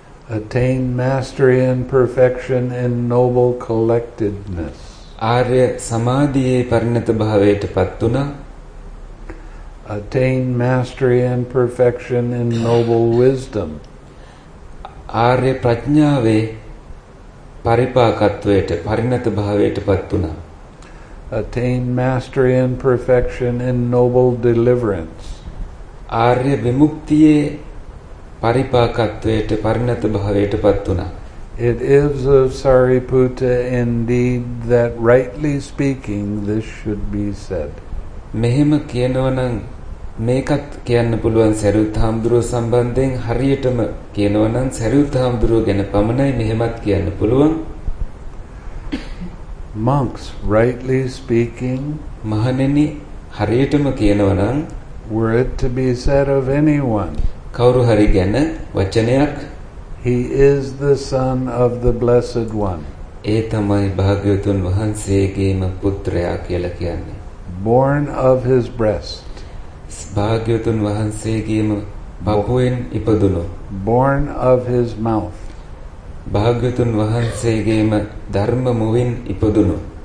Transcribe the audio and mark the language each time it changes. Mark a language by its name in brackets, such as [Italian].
[English] attain mastery and perfection in noble collectedness [Sinhala] ආර්ය සමාධියේ පරිණත භාවයට පත්ුණා [English] attain mastery and perfection in noble wisdom [Sinhala] ආර්ය ප්‍රඥාවේ පරිපාකත්වයට පරිණත භාවයට පත්ුණා [English] attain mastery and perfection in noble deliverance [Sinhala] ආර්ය විමුක්තියේ පරිපාකත්වයට පරිණත භාවයට පත් වුණා. [English] It is of Sariputta indeed that rightly speaking this should be said. [Sinhala] මෙහෙම කියනවා නම් මේකත් කියන්න පුළුවන් සරියුත් හාමුදුරුව සම්බන්ධයෙන් හරියටම කියනවා නම් සරියුත් හාමුදුරුව ගැන පමණයි මෙහෙමත් කියන්න පුළුවන්. [English] Monks rightly speaking [Sinhala] මහණෙනි හරියටම කියනවා නම් [English] were it to be said of anyone [Sinhala] කවුරු හරි ගැන වචනයක් [English] he is the son of the blessed one [Sinhala] ඒ තමයි භාග්‍යවතුන් වහන්සේගේම පුත්‍රයා කියලා කියන්නේ [English] born of his breast [Sinhala] භාග්‍යවතුන් වහන්සේගේම බහුවෙන් ඉපදුණු [English] born of his mouth [Sinhala] භාග්‍යවතුන් වහන්සේගේම ධර්ම මුවින් ඉපදුණු